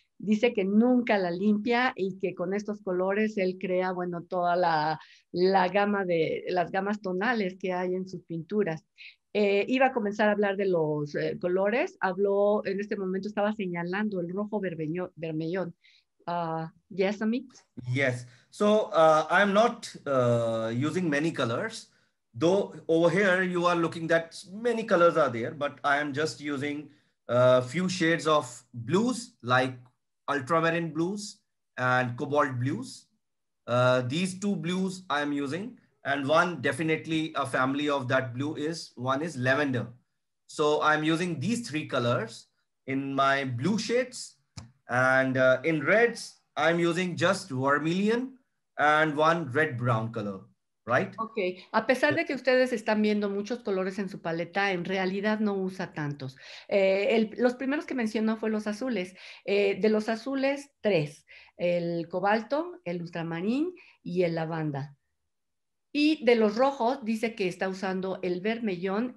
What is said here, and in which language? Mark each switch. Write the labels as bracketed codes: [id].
[es] dice que nunca la limpia y que con estos colores él crea, bueno, toda la gama de las gamas tonales que hay en sus pinturas. Iba a comenzar a hablar de los colores, habló, en este momento estaba señalando el rojo vermellón. [en] Yes, Amit? Yes. So I'm not using many colors, though over here you are looking that many colors are there, but I am just using a few shades of blues, like ultramarine blues and cobalt blues. These two blues I am using. And one definitely a family of that blue is, one is lavender. So I'm using these three colors in my blue shades. And in reds, I'm using just vermilion and one red-brown color, right? Okay. [es] A pesar de que ustedes están viendo muchos colores en su paleta, en realidad no usa tantos. Los primeros que mencionó fue los azules. De los azules, tres. El cobalto, el ultramarín y el lavanda. Y de los rojos, dice que está usando el vermellón.